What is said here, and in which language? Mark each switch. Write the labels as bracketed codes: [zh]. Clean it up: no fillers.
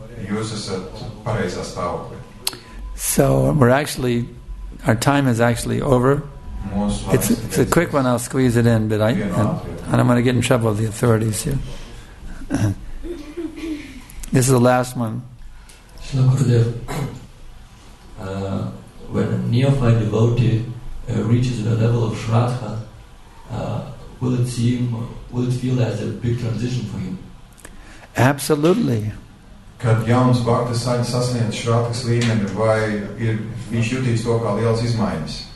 [lv] Jūs esat pareizā stāvoklī. [en] So we're actually, our time is actually over. It's a quick one, I'll squeeze it in, but I don't want to get in trouble with the authorities here. This is the last one. When a neophyte devotee reaches the level of Shraddha, will it feel as a big transition for him? Absolutely. [lv] Kad jauns bhaktis sāk sasniegt Shraddhas līmeni, vai viņš jūtīs to kā liels izmaiņas?